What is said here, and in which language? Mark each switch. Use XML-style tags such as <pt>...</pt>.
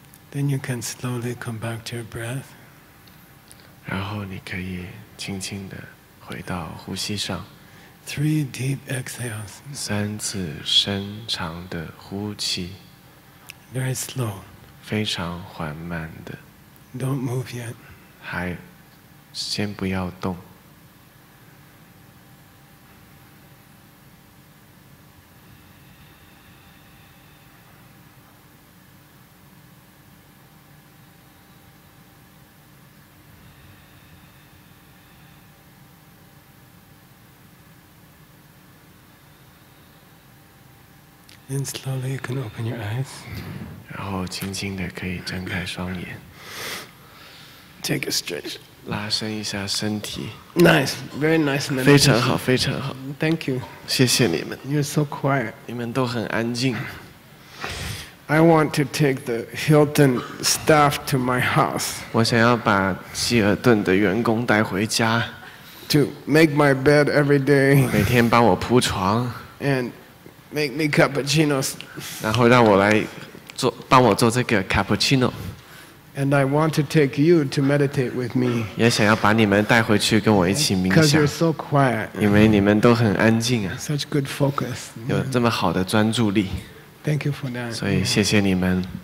<en>Then you can slowly come back to your breath.</en> <zh>然后你可以轻轻地回到呼吸上。</zh> <en>Three deep exhales.</en> <zh>三次深长的呼气。</zh> <en>Very slow.</en> <zh>非常缓慢的。</zh> <en>Don't move yet.</en> <zh>还先不要动。</zh> <en>Then slowly you can open your eyes.</en> <zh>然后轻轻地可以睁开双眼。</zh> <en>Take a stretch.</en> <zh>拉伸一下身体。</zh> <en>Nice, very nice meditation.</en> <zh>非常好，非常好。</zh> <en>Thank you.</en> <zh>谢谢你们。</zh> <en>You're so quiet.</en> <zh>你们都很安静。</zh> <en>I want to take the Hilton staff to my house.</en> <zh>我想要把希尔顿的员工带回家。</zh> <en>To make my bed every day.</en> <zh>每天帮我铺床。</zh> <en>And make me cappuccinos.</en> <zh>然后让我来做，帮我做这个 cappuccino.</zh> <en>And I want to take you to meditate with me.</en> <zh>也想要把你们带回去跟我一起冥想。</zh> <en>Because you're so quiet.</en> <zh>因为你们都很安静啊。</zh> <en>Such good focus.</en> <zh>有这么好的专注力。</zh> <en>Thank you for that.</en> <zh>所以谢谢你们。</zh>